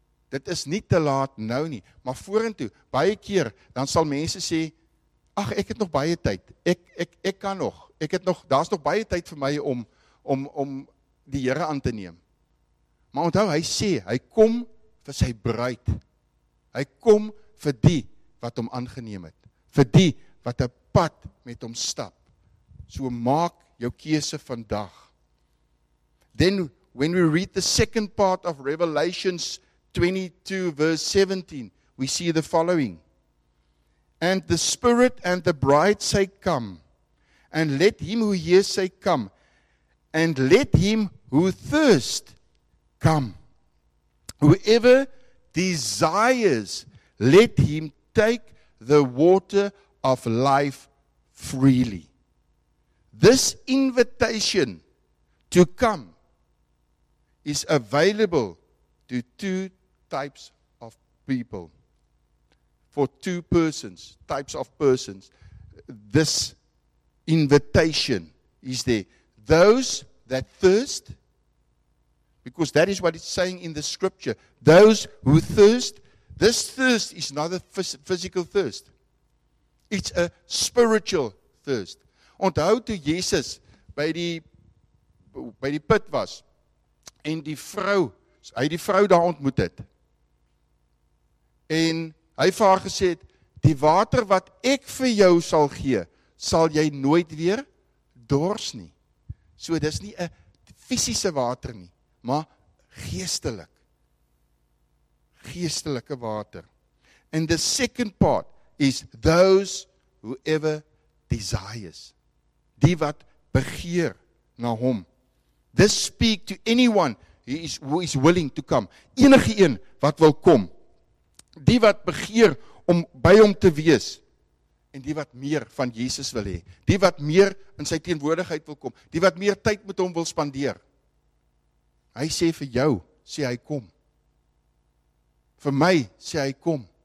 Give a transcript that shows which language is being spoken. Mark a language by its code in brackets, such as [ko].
[af] Dit is nie te laat nou nie, maar vorentoe, baie keer, dan sal mense sê, ach, ek het nog baie tyd, ek kan nog, ek het nog, daar is nog baie tyd vir my om die Here aan te neem. Maar onthou, hy sê, hy kom vir sy bruid, hy kom vir die wat hom aangeneem het, vir die wat 'n pad met hom stap. So maak jou keuse vandag. [en] Then, when we read the second part of Revelations 22 verse 17, we see the following. And the Spirit and the bride say, come. And let him who hears say, come. And let him who thirst come. Whoever desires, let him take the water of life freely. This invitation to come is available to two types of people, for two persons, types of persons. This invitation is there. Those that thirst, because that is what it's saying in the scripture, those who thirst, this thirst is not a physical thirst. It's a spiritual thirst. [af] Onthou toe Jesus by die put was, en die vrou, hy die vrou daar ontmoet het, en hy vir haar gesê het, die water wat ek vir jou sal gee, sal jy nooit weer dors nie. So dis nie 'n fisiese water nie, maar geestelik. Geestelike water. [en] And the second part is those whoever desires. [af] Die wat begeer na hom. [en] This speak to anyone who is willing to come. [af] Enige een wat wil kom. Die wat begeer om by hom te wees en die wat meer van Jesus wil hê, die wat meer in sy teenwoordigheid wil kom, die wat meer tyd met hom wil spandeer. Hy sê vir jou, sê hy kom. Vir my sê hy kom.